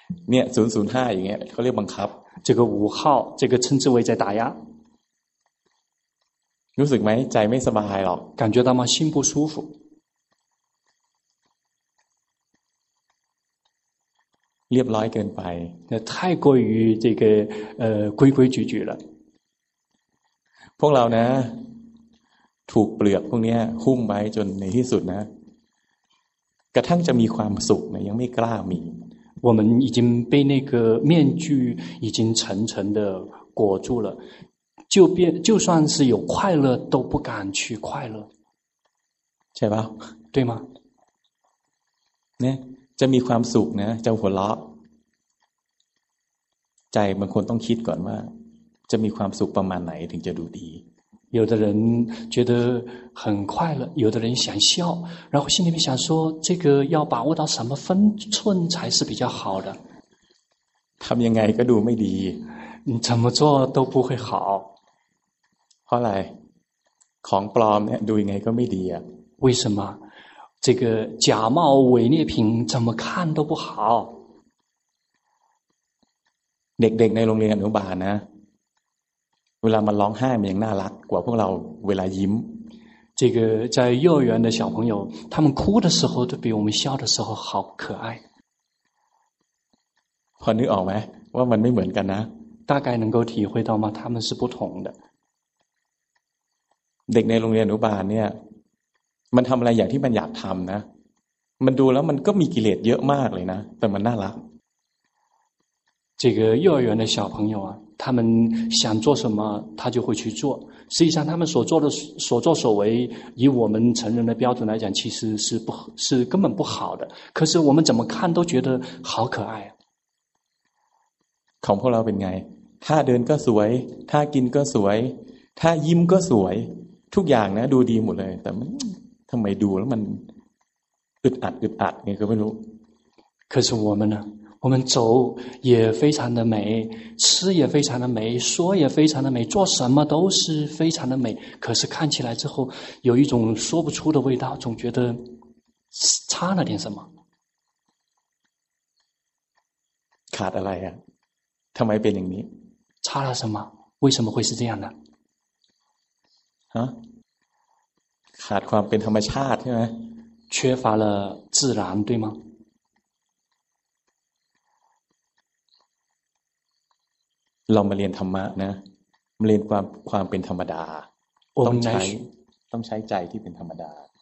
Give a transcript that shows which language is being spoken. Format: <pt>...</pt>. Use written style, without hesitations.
<th>เนี่ย005อย่างเงี้ยเขาเรียกบังคับ</th> <zh>这个五号这个称之为在打压</zh> <th>รู้สึกไหมใจไม่สบายหรอก</th> <zh>感觉到吗心不舒服</zh> <th>เรียบร้อยเกินไป</th> <zh>太过于这个规规矩矩了</zh> <th>พวกเรานะถูกเปลือกพวกนี้หุ้มไว้จนในที่สุดนะกระทั่งจะมีความสุขนะยังไม่กล้ามี</th> <zh>我们已经被那个面具已经层层的裹住了就算是有快乐都不敢去快乐</zh> <th>ใช่ป่ะ</th> <zh>对吗</zh> <th>เนี่ยจะมีความสุขนะจะหัวเราะใจบางคนต้องคิดก่อนว่าจะมีความสุขประมาณไหนถึงจะดูดี</th> <zh>有的人觉得很快乐有的人想笑然后心里面想说这个要把握到什么分寸才是比较好的</zh> <th>ทำยังไงก็ดูไม่ดี นี่ทำไม</th> <zh>做都不会好</zh> <th>เพราะอะไรของปลอมเนี่ยดูยังไงก็ไม่ดีอ่ะ</th> <zh>为什么这个假冒伪劣品怎么看都不好</zh> <th>เด็กๆในโรงเรียนอนุบาลนะเวลามันร้องไห้มันยังน่ารักกว่าพวกเราเวลายิ้ม</th> <zh>这个在幼儿园的小朋友他们哭的时候都比我们笑的时候好可爱</zh> <th>พอนึกออกไหมว่ามันไม่เหมือนกันนะ</th> <zh>大概能够体会到吗他们是不同的</zh> <th>เด็กในโรงเรียนอนุบาลเนี่ยมันทำอะไรอย่างที่มันอยากทำนะมันดูแล้วมันก็มีกิเลสเยอะมากเลยนะแต่มันน่ารัก</th> <zh>这个幼儿园的小朋友啊他们想做什么他就会去做实际上他们所做的所作所为以我们成人的标准来讲其实是不是根本不好的可是我们怎么看都觉得好可爱</zh> <th>ของพวกเราเป็นไงถ้าเดินก็สวยถ้ากินก็สวยถ้ายิ้มก็สวยทุกอย่างนะดูดีหมดเลยแต่มันทำไมดูแล้วมันอึดอัดอึดอัดไงก็ไม่รู้</th> <zh>可是我们呢我们走也非常的美吃也非常的美说也非常的美做什么都是非常的美可是看起来之后有一种说不出的味道总觉得差了点什么</zh> <th>ขาดอะไรอ่ะทำไมเป็นอย่างนี้</th> <zh>差了什么为什么会是这样呢</zh> <th>ขาดความเป็นธรรมชาติใช่ไหม</th> <zh>缺乏了自然对吗</zh> <th>เรามาเรียนธรรมะนะมาเรียนความเป็นธรรมดาต้องใช้ใจที่เป็นธรรมดา</th>